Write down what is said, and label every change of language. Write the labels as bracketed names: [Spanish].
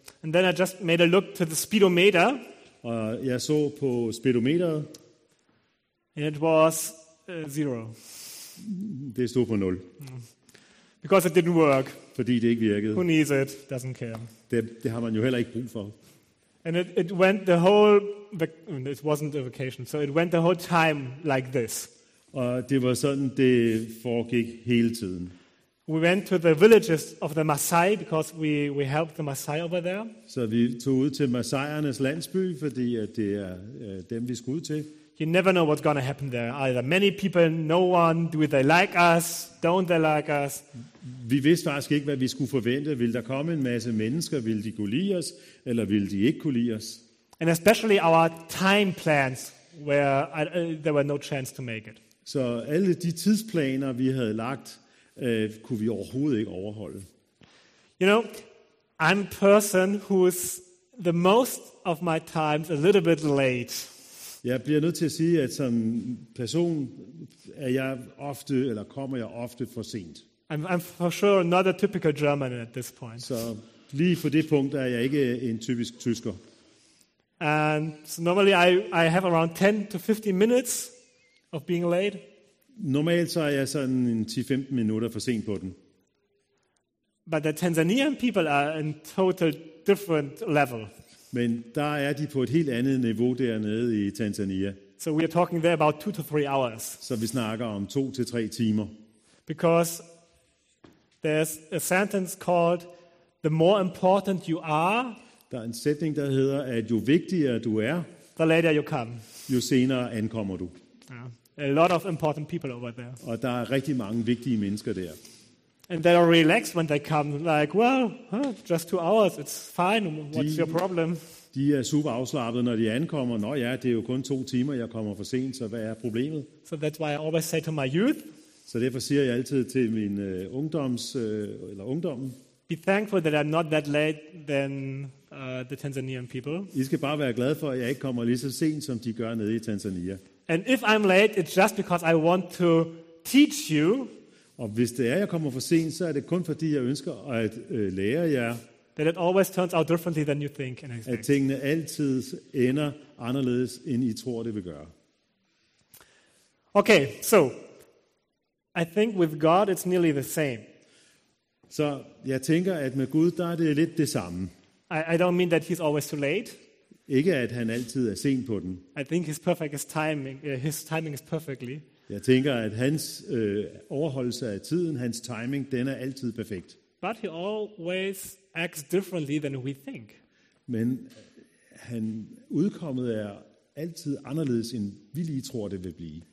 [English] And then I just made a look to the speedometer. [Danish] Og jeg så på speedometeret. [English] And it was zero. [Danish] Det stod på nul. [English] Because it didn't work. [Danish] Fordi det ikke virkede. [English] Who needs it? Doesn't care. [Danish] Det har man jo heller ikke brug for. [English] And it went the whole, it wasn't a vacation, so it went the whole time like this. [Danish] Og det var sådan, det foregik hele tiden. [English] We went to the villages of the Maasai, because we helped the Maasai over there. [Danish] Så vi tog ud til Maasai'ernes landsby, fordi det er dem, vi skulle ud til. [English] You never know what's going to happen there. Either many people, no one, do they like us, don't they like us? [Danish] Vi vidste faktisk ikke, hvad vi skulle forvente. Vil der komme en masse mennesker? Vil de kunne lide os? Eller vil de ikke kunne lide os? [English] And especially our time plans, where there were no chance to make it. [Danish] Så alle de tidsplaner, vi havde lagt, kunne vi overhovedet ikke overholde. [English] You know, I'm a person who's the most of my times a little bit late. [Danish] Jeg bliver nødt til at sige, at som person er jeg ofte eller kommer jeg ofte for sent. [English] I'm for sure not a typical German at this point. [Danish] Så lige på det punkt er jeg ikke en typisk tysker. [English] And so normally I have around 10 to 15 minutes of being late. [Danish] Normalt så er jeg sådan en 10-15 minutter for sent på den. [English] But the Tanzanian people are in total different level. [Danish] Men der er de på et helt andet niveau dernede i Tanzania. [English] So we are talking there about 2 to 3 hours. [Danish] Så vi snakker om 2 til 3 timer. [English] Because there's a sentence called the more important you are. [Danish] Der er en sætning der hedder at jo vigtigere du er, [English] the later you come. [Danish] Jo senere ankommer du. [English] A lot of important people over there. [Danish] Og der er rigtig mange vigtige mennesker der. [English] And they are relaxed when they come, like, well, just 2 hours, it's fine, what's your problem? [Danish] De er super afslappet, når de ankommer. Nå ja, det er jo kun 2 timer, jeg kommer for sent, så hvad er problemet? [English] So that's why I always say to my youth. [Danish] Så derfor siger jeg altid til min ungdommen. [English] Be thankful that I'm not that late than the Tanzanian people. [Danish] I skal bare være glade for, at jeg ikke kommer lige så sent, som de gør nede i Tanzania. [English] And if I'm late, it's just because I want to teach you. [Danish] Og hvis det er, jeg kommer for sent, så er det kun fordi, jeg ønsker at lære jer. [English] That it always turns out differently than you think. [Danish] At tingene altid ender anderledes, end I tror, det vil gøre. [English] Okay, so I think with God, it's nearly the same. [Danish] Så jeg tænker, at med Gud, der er det lidt det samme. [English] I don't mean that he's always too late. [Danish] Ikke at han altid er sen på den. [English] I think his perfect is timing. His timing is perfectly. [Danish] Jeg tænker, at hans overholdelse af tiden, hans timing, den er altid perfekt. [English] But he always acts differently than we think. [Danish] Men han udkommet er altid anderledes, end vi lige tror, det vil blive.